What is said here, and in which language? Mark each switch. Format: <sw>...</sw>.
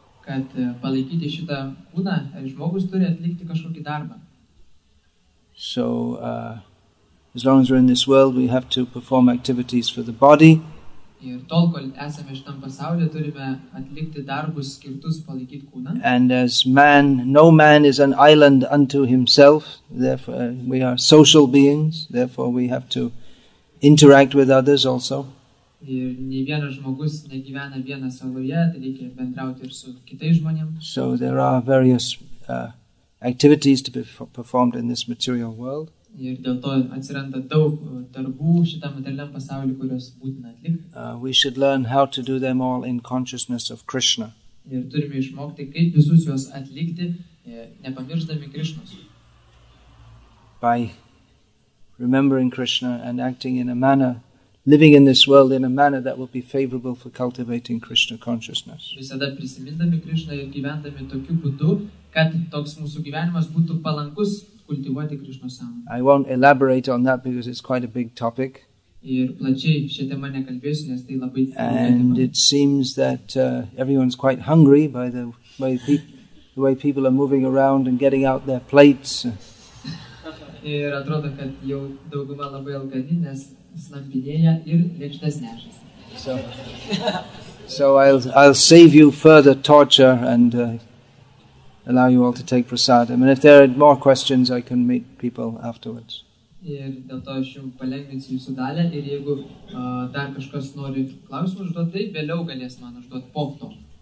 <lt>Kad palaikyti šitą kūną, žmogus turi atlikti kažkokį darbą.</lt> <en>So, as long as we're in this world, we have to perform activities for the body.</en> <lt>Ir tol, kol esame šitam pasaulyje, turime atlikti darbus skirtus palaikyti kūną.</lt> <en>And as man, no man is an island unto himself, therefore we are social beings, therefore we have to interact with others also.</en> <lt>Ir nei vienas žmogus negyvena viena saloje, tai reikia bendrauti ir su kitais žmonėm.</lt> <en>So there are various activities to be performed in this material world.</en> <lt>Ir dėl to atsiranda daug darbų šitam materialiam pasauliu, kuriuos būtina atlikti.</lt> <en>We should learn how to do them all in consciousness of Krishna.</en> <lt>Ir turime išmokti, kaip visus juos atlikti, nepamiršdami Krishnos.</lt> <en>By remembering Krishna and acting in a manner living in this world in a manner that will be favorable for cultivating Krishna consciousness.</en> <lt>Visada prisimindami Krishna ir gyvendami tokiu būdu, kad toks mūsų gyvenimas būtų palankus kultivuoti Krishna sąmonę.</lt> <en>I won't elaborate on that because it's quite a big topic.</en> <lt>Ir plačiai šia tema nekalbėsiu, nes tai labai didelė tema.</lt> <en>And it seems that everyone's quite hungry by the way the way people are moving around and getting out their plates.</en> <lt>Ir atrodo, kad jau dauguma labai ilgai, nes slampinėja ir lėkštas nešasi.</lt> <en>So I'll save you further torture and allow you all to take prasadam. And if there are more questions, I can meet people afterwards.</en> <lt>Ir dėl to aš jums palengvinsiu jūsų dalę, ir jeigu dar kažkas nori klausimų užduoti, tai vėliau galės man užduoti po to.</lt>